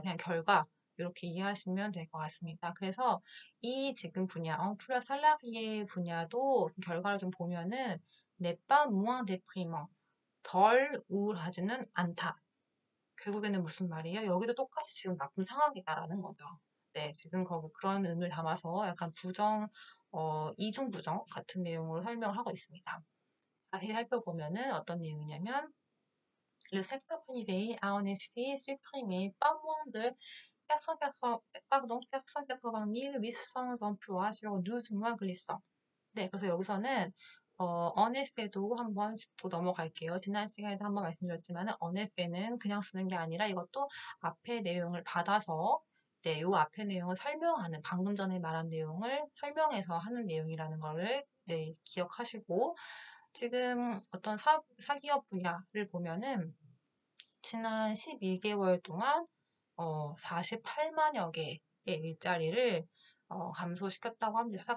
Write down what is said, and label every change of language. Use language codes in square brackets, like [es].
[ko] 그냥 결과 이렇게 이해하시면 될것 같습니다. 그래서 이 지금 분야 엉플라 살라비에 분야도 결과를 좀 보면은 [fr] n'est pas moins déprimant. [ko] 덜 우울하지는 않다. 결국에는 무슨 말이에요? 여기도 똑같이 지금 나쁜 상황이다라는 거죠. 네, 지금 거기 그런 의미를 담아서 약간 부정, 이중부정 같은 내용으로 설명을 하고 있습니다. 자세히 살펴보면은 어떤 내용이냐면, [fr] Le secteur privé a en effet supprimé pas moins de 480 800 emplois sur 12 mois glissants. [ko] 네, 그래서 여기서는 en effet도 한번 짚고 넘어갈게요. 지난 시간에도 한번 말씀드렸지만, en effet는 그냥 쓰는 게 아니라 이것도 앞에 내용을 받아서, 네, 요 앞에 내용을 설명하는, 방금 전에 말한 내용을 설명해서 하는 내용이라는 거를, 네, 기억하시고, 지금 어떤 사기업 분야를 보면은, 지난 12개월 동안, 48만여 개의 일자리를 감소시켰다고 합니다.